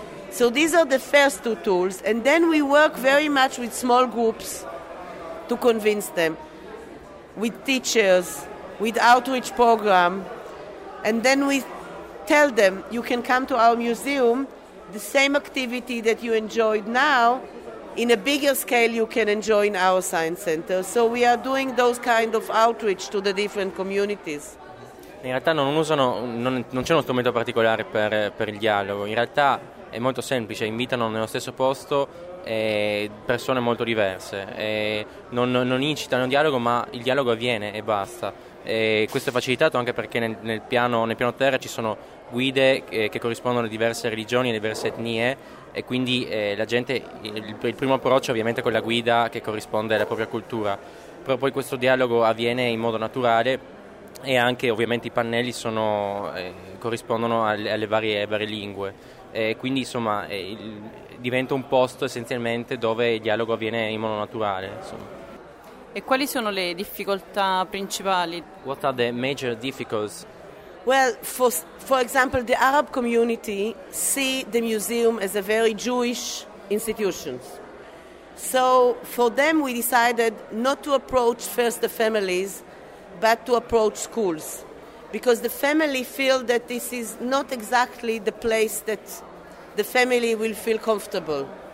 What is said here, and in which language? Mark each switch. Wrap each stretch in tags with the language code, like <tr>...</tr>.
<en>So these are the first two tools. And then we work very much with small groups to convince them, with teachers, with outreach program. And then we tell them, you can come to our museum, the same activity that you enjoyed now, in a bigger scale you can enjoy in our science center. So we are doing those kind of outreach to the different communities.</en> <it>In realtà non c'è uno strumento particolare per il dialogo. In realtà è molto semplice, invitano nello stesso posto persone molto diverse. Non incitano il dialogo, ma il dialogo avviene e basta. E questo è facilitato anche perché nel piano terra ci sono guide che corrispondono a diverse religioni e diverse etnie, e quindi la gente, il primo approccio ovviamente con la guida che corrisponde alla propria cultura, però poi questo dialogo avviene in modo naturale, e anche ovviamente i pannelli corrispondono alle varie lingue, quindi insomma diventa un posto essenzialmente dove il dialogo avviene in modo naturale, insomma. E quali sono le difficoltà principali?</it> <en>What are the major difficulties? Well, for example, the Arab community see the museum as a very Jewish institution. So for them, we decided not to approach first the families, but to approach schools, because the family feel that this is not exactly the place that the family will feel comfortable.</en>